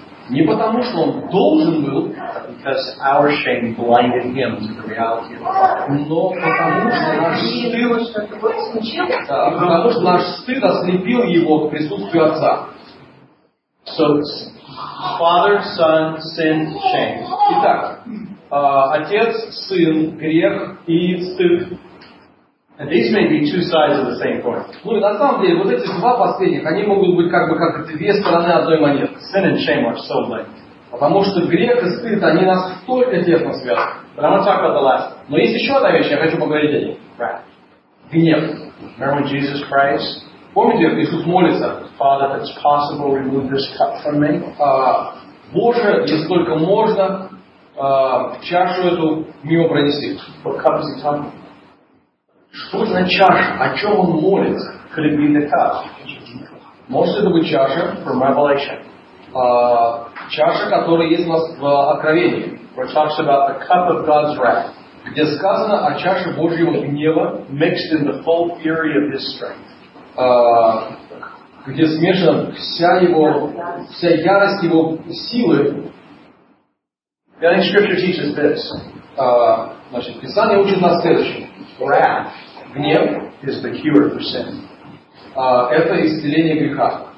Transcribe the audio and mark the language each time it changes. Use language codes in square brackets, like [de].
[ru] Не потому, что он должен был, [en] because our shame blinded him to the reality of God. [ru] Но потому что наш стыд, потому что наш стыд ослепил его к присутствию Отца. [en] So, Father, Son, Sin, Shame. [ru] Итак, отец, сын, грех и стыд. [en] And these may be two sides of the same coin. [ru] Ну и на самом деле, вот эти два последних, они могут быть как бы как две стороны одной монеты. [en] Sin and shame are so linked. [ru] Потому что грех и стыд, они нас столько тесно связаны. Потому что так отдалась. Но есть еще одна вещь, я хочу поговорить о ней. Гнев. [en] Remember Jesus Christ? [ru] Помните, Иисус молится? [en] Father, if it's possible, remove this cup from me. [ru] Боже, если только можно, чашу эту мимо пронести. [en] What cup is he talking? [ru] Что за чаша? О чем он молится? [en] Could it be the cup? [ru] Может это быть чаша? [en] From Revelation. [ru] Чаша, которая есть у нас в Откровении. [en] Where it talks about the cup of God's wrath. [ru] Где сказано о чаше Божьего гнева, [en] mixed in the full fury of His strength. [ru] Где смешана вся его, вся ярость его силы. [en] I think Scripture teaches this. [ru] Значит, Писание учит нас следующее. [en] Wrath, [ru] гнев, [en] is the cure for sin. [ru] Это исцеление греха.